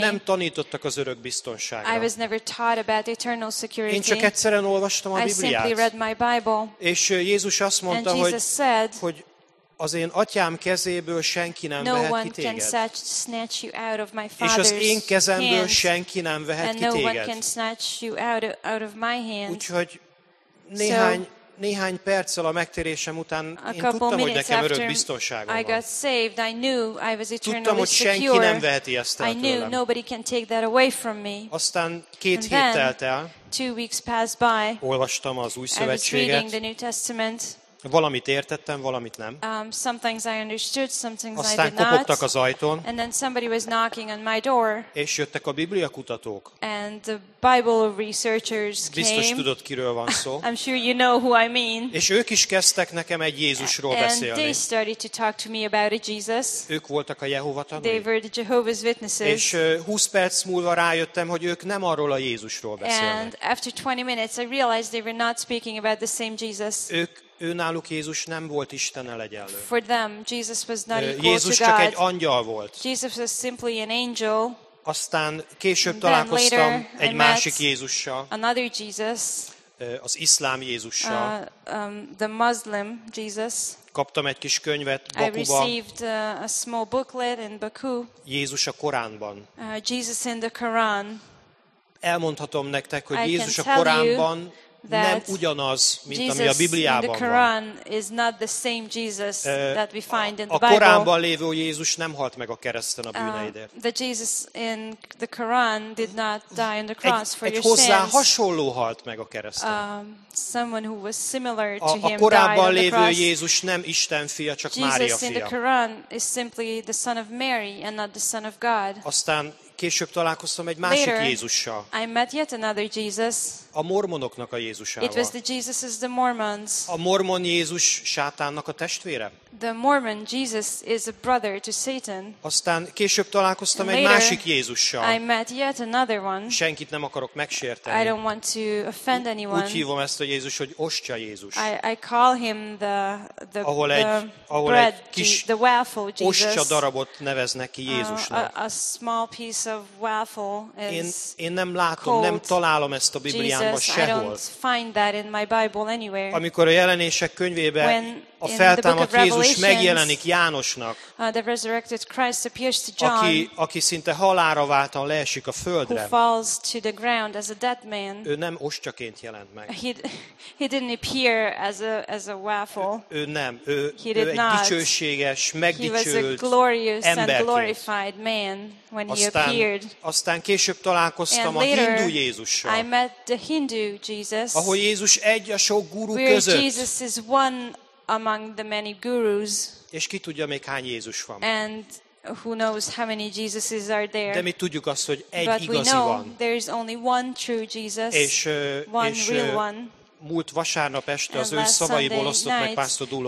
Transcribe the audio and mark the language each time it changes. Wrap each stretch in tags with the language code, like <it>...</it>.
<hu>Nem tanítottak az örök biztonságra.</hu> <en>I was never taught about eternal security.</en> <hu>Én csak egyszerűen olvastam a Bibliát.</hu> <en>I simply read my Bible.</en> <hu>És Jézus azt mondta,</hu> <en>and</en> <hu>hogy,</hu> <en>Jesus said,</en> <hu>hogy az én atyám kezéből senki nem</hu> <en>no</en> <hu>vehet ki téged.</hu> <en>Can snatch you out of my father's</en> <hu>és az én kezemből senki nem vehet</hu> <en>and</en> <hu>ki</hu> <en>no</en> <hu>téged.</hu> <en>One can snatch you out of my hand.</en> <hu>Úgyhogy néhány perccel a megtérésem után én tudtam, hogy nekem örök biztonságom van.</hu> <en>I got saved, I knew I was eternally</en> <hu>tudtam, hogy senki</hu> <en>secure.</en> <hu>Nem veheti ezt el</hu> <en>I knew</en> <hu>tőlem.</hu> <en>Nobody can take that away from me.</en> <hu>Aztán két hét telt el.</hu> <en>Two weeks passed by.</en> <hu>Olvastam az Új Szövetséget.</hu> <en>I was reading the New Testament.</en> <hu>Valamit értettem, valamit nem.</hu> <en>Some things I understood, some things</en> <hu>aztán</hu> <en>I did not.</en> <hu>Aztán kopogtak az ajtón.</hu> <en>And then somebody was knocking on my door.</en> <hu>És jöttek a bibliakutatók.</hu> <en>And the Bible researchers came.</en> <hu>Biztos tudod, kiről van szó.</hu> <en>I'm sure you know who I mean.</en> <hu>És ők is kezdtek nekem egy Jézusról beszélni.</hu> <en>And they started to talk to me about a Jesus.</en> <hu>Ők voltak a Jehova tanúi.</hu> <en>They were the Jehovah's Witnesses.</en> <hu>És 20 perc múlva rájöttem, hogy ők nem arról a Jézusról beszélnek.</hu> <en>And after 20 minutes I realized they were not speaking about the same Jesus.</en> <hu>Őnáluk Jézus nem volt Istennel egyenlő.</hu> <en>For them, Jesus was not equal to God.</en> <hu>Jézus csak egy angyal volt.</hu> <en>Jesus was simply an angel.</en> <hu>Aztán később találkoztam egy másik Jézussal.</hu> <en>Another Jesus.</en> <hu>Az iszlám Jézussal.</hu> <en>The Muslim Jesus.</en> <hu>Kaptam egy kis könyvet Bakuban.</hu> <en>I received a small booklet in Baku.</en> <hu>Jézus a Koránban.</hu> <en>Jesus in the Quran.</en> <hu>Elmondhatom nektek, hogy Jézus a Koránban nem ugyanaz, mint</hu> <en>Jesus</en> <hu>ami a Bibliában</hu> <en>in the Quran</en> <hu>van.</hu> <en>Is not the same Jesus that we find in the Bible.</en> <hu>A Koránban lévő Jézus nem halt meg a kereszten a bűneidért.</hu> <en>The Jesus in the Quran did not die on the cross</en> <hu>egy,</hu> <en>for your sins.</en> <hu>Egy hozzá hasonló halt meg a kereszten.</hu> <en>Someone who was similar to</en> <hu>a,</hu> <en>him died on the cross.</en> <hu>A Koránban lévő Jézus nem Isten fia, csak</hu> <en>Jesus</en> <hu>Mária fia.</hu> <en>Jesus in the Quran is simply the son of Mary and not the son of God.</en> <hu>Aztán később találkoztam egy másik</hu> <en>later,</en> <hu>Jézussal.</hu> <en>I met yet another Jesus.</en> <hu>A mormonoknak a Jézusával.</hu> <en>It was the Jesus of the Mormons.</en> <hu>A mormon Jézus sátánnak a testvére.</hu> <en>The Mormon Jesus is a brother to Satan.</en> <hu>Aztán később találkoztam</hu> <en>later,</en> <hu>egy másik Jézussal.</hu> <en>I met yet another one.</en> <hu>Senkit nem akarok megsérteni.</hu> <en>I don't want to offend anyone.</en> <hu>Úgy hívom ezt a Jézus, hogy ostya Jézus.</hu> <en>I call him the</en> <hu>ahol egy,</hu> <en>the</en> <hu>ahol</hu> <en>bread,</en> <hu>egy kis</hu> <en>the waffle Jesus.</en> <hu>Ostya darabot neveznek ki Jézusnak.</hu> <en>A small piece of waffle is</en> <hu>én nem látom, nem találom ezt a Bibliában sehol.</hu> <en>I don't find that in my Bible anywhere.</en> <hu>Amikor a jelenések könyvében a feltámadt Jézus megjelenik Jánosnak,</hu> <en>the resurrected Christ appears to John,</en> <hu>aki szinte halálra váltan leesik a földre.</hu> <en>Who falls to the ground as a dead man.</en> <hu>Ő nem ostyaként jelent meg.</hu> <en>He didn't appear as a waffle.</en> <hu>Ő nem. Ő egy dicsőséges, megdicsőlt emberként. Aztán később találkoztam</hu> <en>and</en> <hu>a hindu Jézussal.</hu> <en>I met the Hindu Jesus.</en> <hu>Ahol Jézus egy a sok gurú</hu> <en>where</en> <hu>között.</hu> <en>Jesus is one among the many gurus.</en> <hu>És ki tudja még hány Jézus van.</hu> <en>And who knows how many Jesuses are there.</en> <hu>De mi tudjuk azt, hogy egy</hu> <en>but</en> <hu>igazi</hu> <en>we know</en> <hu>van.</hu> <en>There is only one true Jesus.</en> <hu>És</hu> <en>one</en> <hu>és,</hu> <en>real one.</en> <hu>Múlt vasárnap este az ő szavaiból osztott meg Pásztor Dulo</hu>